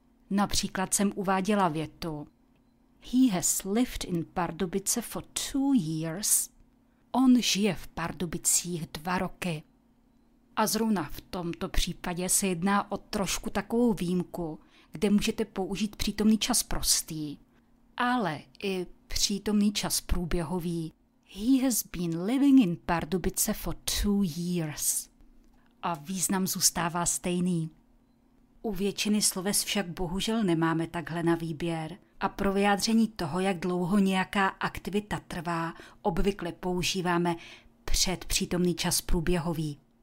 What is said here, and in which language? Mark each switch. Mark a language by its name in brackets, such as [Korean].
[Czech] Například jsem uváděla větu: [English] He has lived in Pardubice for 2 years. [Czech] On žije v Pardubicích 2 roky. A zrovna v tomto případě se jedná o trošku takovou výjimku, kde můžete použít přítomný čas prostý, ale i přítomný čas průběhový. [English] He has been living in Pardubice for 2 years. [Czech] A význam zůstává stejný. U většiny sloves však bohužel nemáme takhle na výběr a pro vyjádření toho, jak dlouho nějaká aktivita trvá, obvykle používáme předpřítomný čas průběhový.